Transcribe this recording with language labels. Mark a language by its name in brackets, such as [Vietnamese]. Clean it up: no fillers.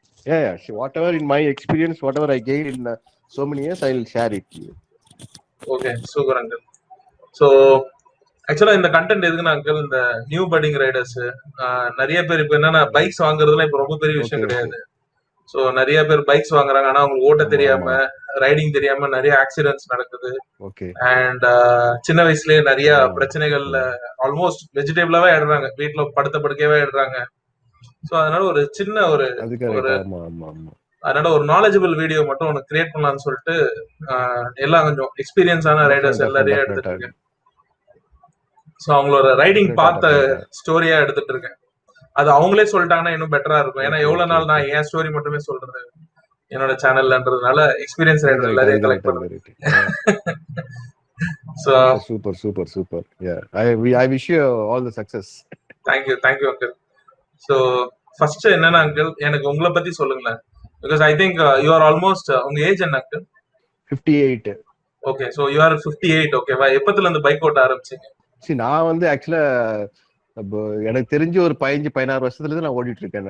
[English] Yeah, yeah, whatever in my experience, whatever I gained in so many years, I will share it to you. Okay, super uncle. [Tamil] So, ஆக்சுவலா இந்த content எதுக்குன்னா, இந்த new படிங் Riders நிறைய பேர் இப்ப என்னன்னா, bikes வாங்குறதுலாம் இப்ப ரொம்ப பெரிய விஷயம் கிடையாது. சோ நிறைய பேர் பைக்ஸ் வாங்குறாங்க, ஆனா அவங்களுக்கு ஓட்ட தெரியாம ரைடிங் தெரியாம நிறைய ஆக்சிடென்ட்ஸ் நடக்குது. அண்ட் சின்ன வயசுலயே நிறைய பிரச்சனைகள்ல ஆல்மோஸ்ட் வெஜிடபிளாவே ஆயிடுறாங்க, வீட்டுல படுத்த படுக்கையவே ஆயிடுறாங்க. சோ அதனால ஒரு சின்ன ஒரு ஒரு அதனால ஒரு நாலேஜபிள் வீடியோ மட்டும் உனக்கு கிரியேட் பண்ணலான்னு சொல்லிட்டு எல்லாம் கொஞ்சம் எக்ஸ்பீரியன்ஸ் ஆன ரைடர்ஸ் எல்லாரையும் எடுத்துருக்கேன். ஸோ அவங்களோட ரைடிங் பார்த்த ஸ்டோரியா எடுத்துட்டு இருக்கேன். அது அவங்களே சொல்லிட்டாங்கன்னா இன்னும் பெட்டரா இருக்கும். ஏன்னா எவ்வளவு நாள் நான் என் ஸ்டோரி மட்டுமே சொல்றது என்னோட சேனல்ன்றதுனால எக்ஸ்பீரியன்ஸ் ரைடர் எல்லாரையும் கலெக்ட் பண்ணுவேன். [English] So super super super. Yeah, I wish you all the success. Thank you, thank you uncle. [Tamil] So first என்னன்னா அங்கிள், எனக்கு உங்களை பத்தி சொல்லுங்களேன். [English] because I think you are almost [Tamil] உங்க ஏஜ் என்ன uncle? 58. [English] Okay, so you are 58. [Tamil] Okay, எப்பத்துல இந்த bike ஓட்ட ஆரம்பிச்சீங்க? நான் வந்து ஆக்சுவலா எனக்கு தெரிஞ்சு ஒரு 15-16 வருஷத்துல இருந்து நான் ஓடிட்டு இருக்கேன்.